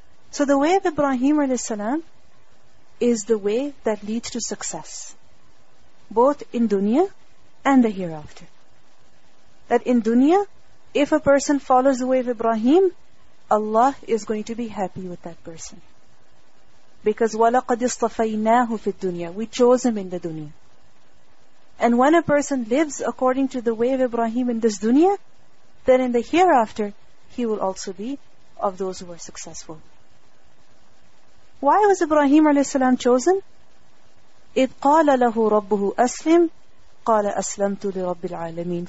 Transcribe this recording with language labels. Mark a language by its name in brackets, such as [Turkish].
[English] So the way of Ibrahim a.s. is the way that leads to success, both in dunya and the hereafter. That in dunya, if a person follows the way of Ibrahim, Allah is going to be happy with that person. Because [Arabic] وَلَقَدْ اصْطَفَيْنَاهُ فِي الدُّنْيَا. [English] We chose him in the dunya. And when a person lives according to the way of Ibrahim in this dunya, then in the hereafter, he will also be of those who are successful. Why was Ibrahim alayhi salam chosen? [Arabic] إِذْ قَالَ لَهُ رَبُّهُ أَسْلِمْ قَالَ أَسْلَمْتُ لِرَبِّ الْعَالَمِينَ.